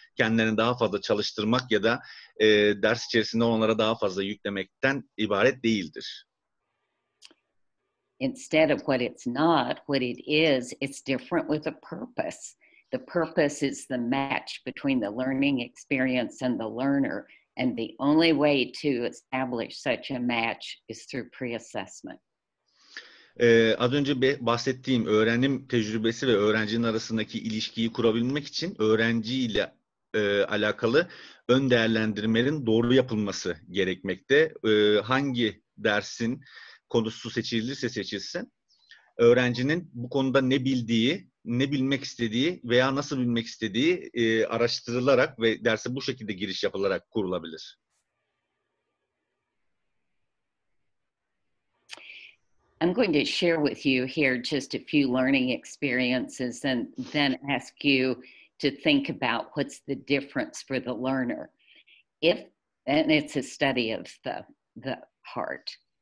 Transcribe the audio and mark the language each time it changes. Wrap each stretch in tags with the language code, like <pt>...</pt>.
<tr>Kendilerini daha fazla çalıştırmak ya da ders içerisinde onlara daha fazla yüklemekten ibaret değildir.</tr> <en>Instead of what it's not, what it is, it's different with a purpose. The purpose is the match between the learning experience and the learner. And the only way to establish such a match is through pre-assessment.</en> <tr>Az önce bahsettiğim öğrenim tecrübesi ve öğrencinin arasındaki ilişkiyi kurabilmek için öğrenciyle alakalı ön değerlendirmenin doğru yapılması gerekmekte. Hangi dersin konusu seçilirse seçilsin, öğrencinin bu konuda ne bildiği, ne bilmek istediği veya nasıl bilmek istediği araştırılarak ve derse bu şekilde giriş yapılarak kurulabilir.</tr> <en>I'm going to share with you here just a few learning experiences and then ask you to think about what's the difference for the learner. If, and it's a study of the heart.</en>